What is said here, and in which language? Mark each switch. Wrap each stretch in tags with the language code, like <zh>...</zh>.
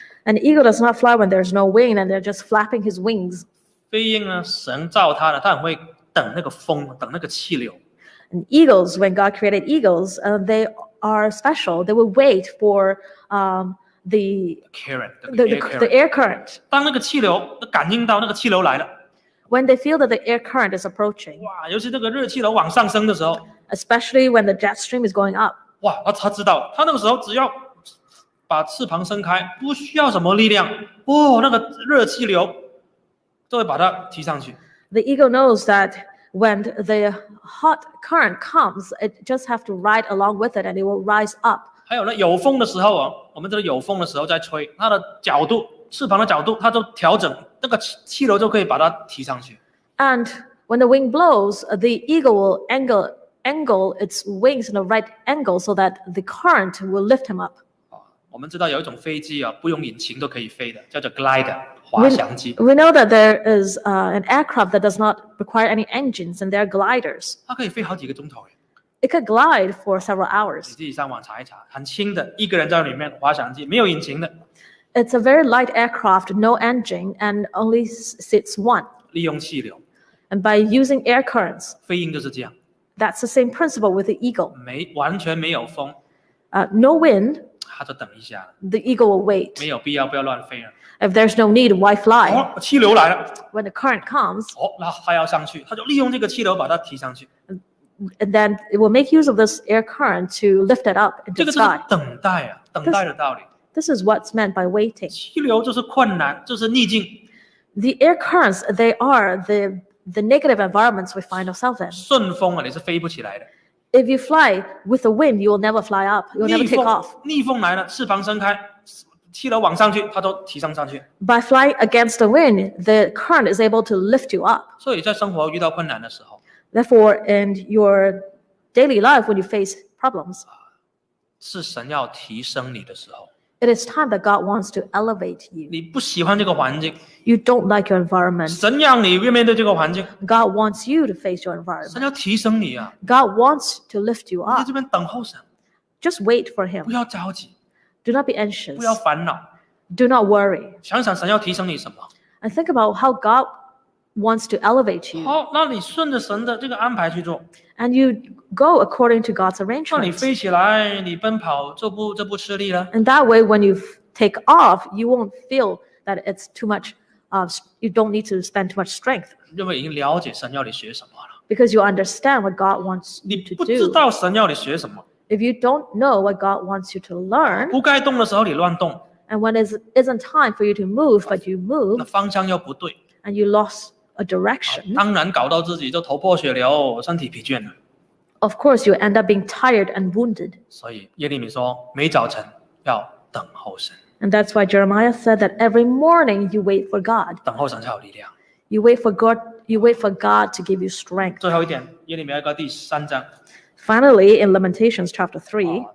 <en>An eagle does not fly when there's no wind, and they're just flapping his wings.</en> <zh>飞鹰呢, 神造它的, 它很会等那个风, 等那个气流。</zh> <en>And eagles, when God created eagles, they are special. They will wait for the air current.</en> <zh>当那个气流感应到那个气流来了,</zh> <en>when they feel that the air current is approaching.</en> <zh>哇, 尤其那个热气流往上升的时候,</zh> <en>especially when the jet stream is going up.</en> <zh>哇, 他知道, 他那个时候只要把翅膀伸开，不需要什么力量，哦，那个热气流都会把它提上去。</zh> <en>The eagle knows that when the hot current comes, it just have to ride along with it, and it will rise up.</en> <zh>还有呢，有风的时候啊，我们这个有风的时候在吹，它的角度，翅膀的角度，它就调整，那个气流就可以把它提上去。</zh> <en>And when the wind blows, the eagle will angle its wings in the right angle so that the current will lift him up.</en> <zh>我们知道有一种飞机啊，不用引擎都可以飞的，叫做 glider。</zh> <en>We know that there is an aircraft that does not require any engines, and they are gliders.</en> <zh>它可以飞好几个钟头。</zh> <en>It could glide for several hours.</en> <zh>你自己上网查一查，很轻的，一个人在里面滑翔机，没有引擎的。</zh> <en>It's a very light aircraft, no engine, and only seats one.</en> <zh>利用气流。</zh> <en>And by using air currents.</en> <zh>飞鹰就是这样。</zh> <en>That's the same principle with the eagle.</en> <zh>完全没有风。</zh> <en>No wind.</en> <zh>它就等一下。</zh> <en>The eagle will wait.</en> <zh>没有必要，不要乱飞了。</zh> <en>If there's no need, why fly?</en> <zh>哦，气流来了。</zh> <en>When the current comes,</en> <zh>哦，那它要上去，它就利用这个气流把它提上去。</zh> <en>And then it will make use of this air current to lift it up into the sky.</en> <zh>这个就是等待啊，等待的道理。</zh> <en>This is what's meant by waiting.</en> <zh>气流就是困难，就是逆境。</zh> <en>The air currents, they are the negative environments we find ourselves in.</en> <zh>顺风啊，你是飞不起来的。</zh> <en>If you fly with the wind, you will never fly up. You'll never take off.</en> <zh>逆风来了，翅膀伸开。气流往上去，它都提升上去。</zh> <en>By flying against the wind, the current is able to lift you up.</en> <zh>所以在生活遇到困难的时候</zh> <en>，Therefore, in your daily life, when you face problems,</en> <zh>是神要提升你的时候。</zh> <en>It is time that God wants to elevate you.</en> <zh>你不喜欢这个环境</zh> <en>，You don't like your environment.</en> <zh>神让你面对这个环境</zh> <en>，God wants you to face your environment.</en> <zh>神要提升你啊</zh> <en>，God wants to lift you up.</en> <zh>在这边等候神</zh> <en>，Just wait for Him.</en> <zh>不要着急。</zh> <en>Do not be anxious.</en> <zh>不要烦恼。</zh> <en>Do not worry.</en> <zh>想想神要提升你什么。</zh> <en>And think about how God wants to elevate you.</en> <zh>好，那你顺着神的这个安排去做。</zh> <en>And you go according to God's arrangement.</en> <zh>那你飞起来，你奔跑，这不吃力了。</zh> <en>And that way, when you take off, you won't feel that it's too much. You don't need to spend too much strength.</en> <zh>因为已经了解神要你学什么了。</zh> <en>Because you understand what God wants you to do.</en> <zh>你不知道神要你学什么。</zh> <en>If you don't know what God wants you to learn,</en> <zh>不该动的时候你乱动</zh> <en>and when isn't time for you to move, but you move,</en> <zh>那方向又不对</zh> <en>and you lost a direction,</en> <zh>当然搞到自己就头破血流，身体疲倦了</zh> <en>Of course, you end up being tired and wounded.</en> <zh>所以耶利米说，每早晨要等候神</zh> <en>And that's why Jeremiah said that every morning you wait for God.</en> <zh>等候神才有力量</zh> <en>You wait for God to give you strength.</en> <zh>最后一点，耶利米歌第三章。</zh> <en>Finally, in Lamentations chapter 3,</en>